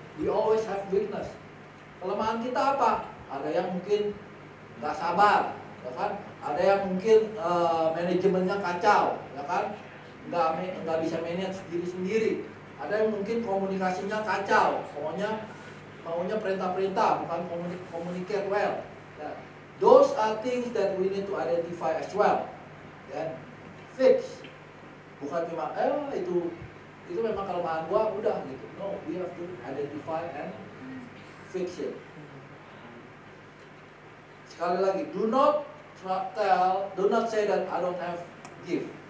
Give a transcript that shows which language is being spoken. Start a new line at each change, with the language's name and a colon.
English: We always have weakness.
Indonesian: Kelemahan kita apa? Ada yang mungkin nggak sabar, ya kan? Ada yang mungkin manajemennya kacau, ya kan? Nggak bisa manage diri sendiri. Ada yang mungkin komunikasinya kacau. Pokoknya maunya perintah-perintah, bukan
English: communicate well. Those are things that we need to identify as well. Then fix.
Indonesian: Bukan cuma itu memang kelemahan gua, udah gitu.
English: No, we have to identify and fix it.
Indonesian: Sekali lagi,
English: do not tell, do not say that I don't have gift.